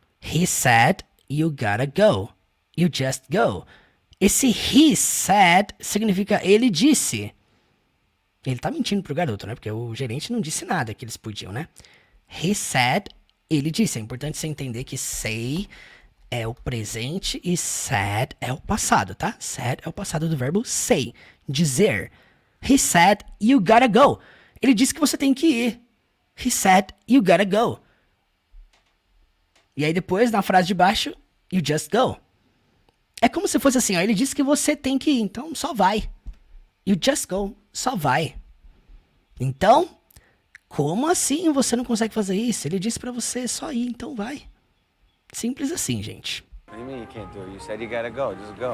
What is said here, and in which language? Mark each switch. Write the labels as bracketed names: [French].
[English] He said you gotta go, you just go. [Portuguese] Esse [English] he said [Portuguese] significa ele disse. Ele tá mentindo pro garoto, né? Porque o gerente não disse nada que eles podiam, né? [English] He said, [Portuguese] ele disse. É importante você entender que say é o presente e said é o passado, tá? Said é o passado do verbo say, dizer. [English] He said, you gotta go. [Portuguese] Ele disse que você tem que ir. [English] He said, you gotta go. [Portuguese] E aí depois, na frase de baixo, [English] you just go. [Portuguese] É como se fosse assim, ó. Ele disse que você tem que ir, então só vai. [English] You just go, [Portuguese] só vai. Então, como assim você não consegue fazer isso? Ele disse pra você, só ir, então vai. Simples assim, gente. [English] What do you mean you can't do it? You said you gotta go, just go.